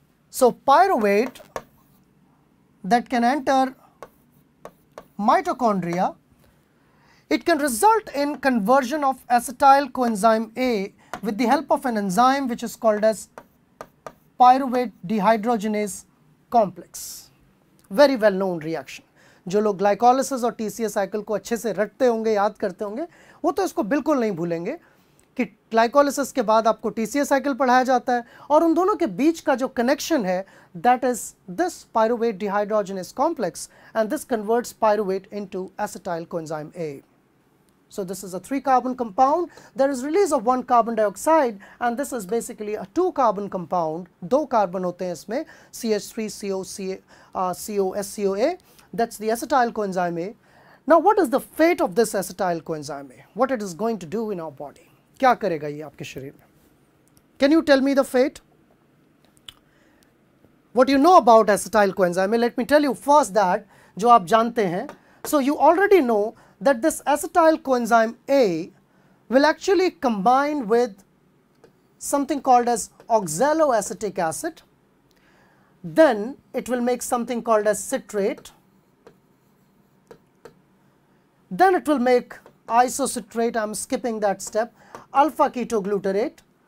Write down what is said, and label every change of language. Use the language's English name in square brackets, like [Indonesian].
[English] So pyruvate that can enter mitochondria, it can result in conversion of acetyl coenzyme A with the help of an enzyme which is called as pyruvate dehydrogenase complex. Very well known reaction. [Hindi] जो लोग glycolysis और TCA cycle को अच्छे से रटते होंगे, याद करते होंगे, वो तो इसको बिल्कुल नहीं भूलेंगे कि ग्लाइकोलाइसिस के बाद आपको TCA साइकिल पढ़ाया जाता है, और उन दोनों के बीच का जो कनेक्शन है [English] That is this pyruvate dehydrogenase complex, and this converts pyruvate into acetyl coenzyme A. So this is a 3 carbon compound, there is release of 1 carbon dioxide, and this is basically a 2 carbon compound. [Hindi] 2 carbon होते हैं इसमें, CH3COCOSCOA, [English] That's the acetyl coenzyme A. Now what is the fate of this acetyl coenzyme A? What it is going to do in our body? [Hindi] क्या करेगा ये आपके शरीर में? [English] Can you tell me the fate? What you know about acetyl coenzyme? Let me tell you first that [Hindi] जो आप जानते हैं. [English] So you already know that this acetyl coenzyme A will actually combine with something called as oxaloacetic acid. Then it will make something called as citrate. Then it will make isocitrate, I am skipping that step, alpha ketoglutarate.